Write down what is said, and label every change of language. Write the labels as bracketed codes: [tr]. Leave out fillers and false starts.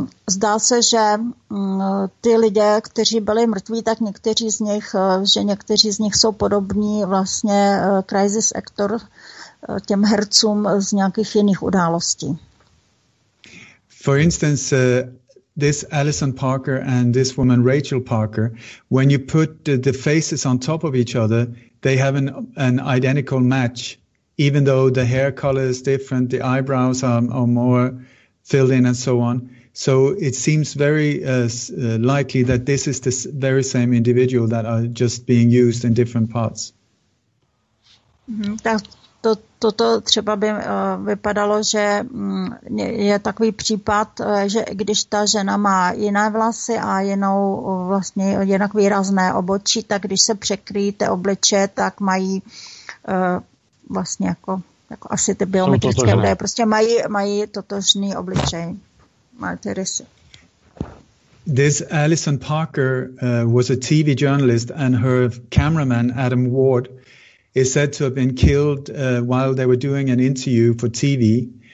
[cs] Zdá se, že ty lidé, kteří byli mrtví, tak někteří z nich, že někteří z nich jsou podobní vlastně crisis actor těm hercům z nějakých jiných událostí. [en] For instance, this Alison Parker and this woman Rachel Parker, when you put the faces on top of each other, they have an identical match, even though the hair color is different, the eyebrows are more filled in and so on. So it seems very likely that this is the very same individual that are just being used in different parts. [cs] Tak to třeba by vypadalo, že je takový případ, že když ta žena má jiné vlasy a jinou vlastně jinak výrazné obočí, tak když se překryjí ty obliče, tak mají vlastně jako jako asi ty biometrické údaje, prostě mají totožný obličej, mají ty rysy. [en] This Alison Parker was a TV journalist and her cameraman Adam Ward is said to have been killed while they were doing an interview for TV.